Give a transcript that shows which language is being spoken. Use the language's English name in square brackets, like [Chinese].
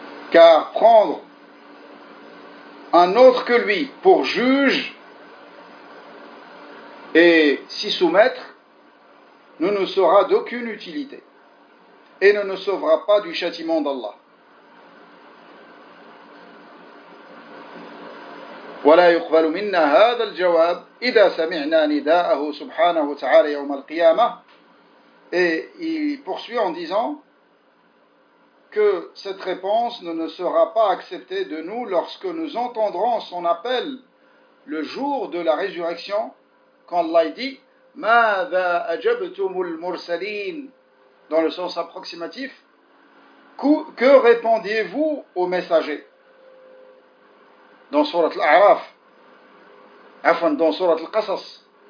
[French] Car prendre un autre que lui pour juge et s'y soumettre ne nous sera d'aucune utilité et ne nous sauvera pas du châtiment d'Allah. [Arabic] ولا يقبل منا هذا الجواب اذا سمعنا نداءه سبحانه وتعالى يوم القيامه. [French] Et il poursuit en disant que cette réponse ne nous sera pas acceptée de nous lorsque nous entendrons son appel le jour de la résurrection, quand Allah dit [Arabic] ماذا اجبتم المرسلين, [French] dans le sens approximatif, que répondiez-vous aux messagers, dans sourate al-A'raf, afin dans sourate al-Qasas.